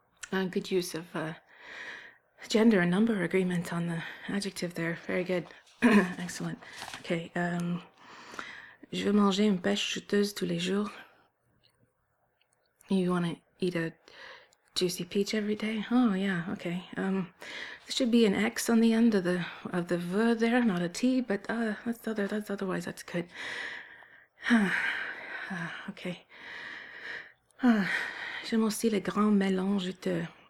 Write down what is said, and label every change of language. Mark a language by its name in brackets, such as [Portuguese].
[English] good use of gender and number agreement on the adjective there. Very good. Excellent. Okay. [French] Je veux manger une pêche juteuse tous les jours. [English] You want to eat a juicy peach every day? Oh yeah, okay. There should be an X on the end of the verb there, not a T, but that's otherwise that's good. Okay. [French] J'aime aussi les grands melons juteux.